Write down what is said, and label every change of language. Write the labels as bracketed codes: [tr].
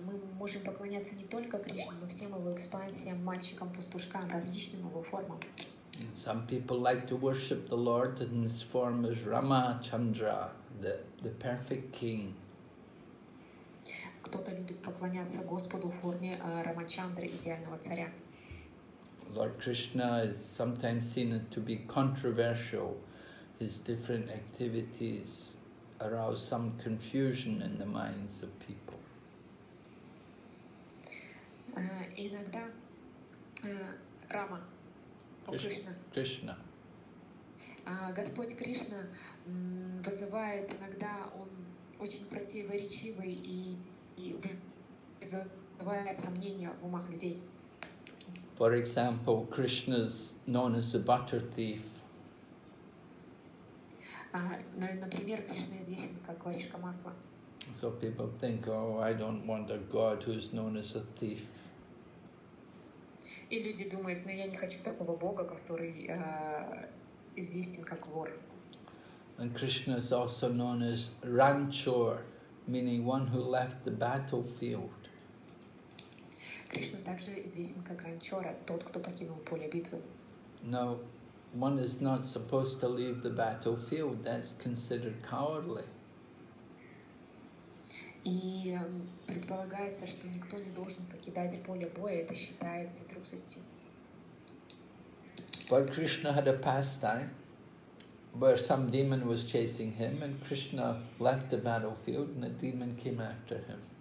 [ru] Мы можем поклоняться не только Кришне, но всем его экспансиям, мальчикам, пастушкам, различным его формам. [en] Some people like to worship the Lord in his form as Rama Chandra, the perfect king. [ru] Кто-то любит поклоняться Господу в форме Рамачандры, идеального царя. [en] Lord Krishna is sometimes seen to be controversial. His different activities arouse some confusion in the minds of people. [ru] Иногда Рама, Кришна. Господь Кришна вызывает иногда, он очень противоречивый и вызывает сомнения в умах людей. [en] For example, Krishna is known as the butter thief. [ru] Например, Кришна известен как воришка масла. [en] So people think, oh, I don't want a god who's known as a thief. [ru] И люди думают, ну я не хочу такого бога, который известен как вор. [en] And Krishna is also known as ranchor, meaning one who left the battlefield. [ru] Кришна также известен как ранчора, тот, кто покинул поле битвы. [en] No. One is not supposed to leave the battlefield. That's considered cowardly. [ru] И предполагается, что никто не должен покидать поле боя. Это считается трусостью. [en] But Krishna had a pastime where some demon was chasing him, and Krishna left the battlefield, and the demon came after him.